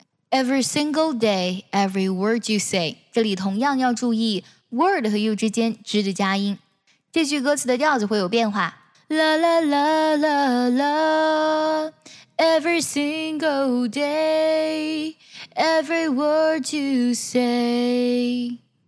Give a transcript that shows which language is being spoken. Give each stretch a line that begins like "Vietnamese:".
English: Every single day, every word you say.
Chinese: 这里同样要注意 word 和 you 之间 z 的加音。这句歌词的调子会有变化。 La la la la la.
English: Every single day, every word you say.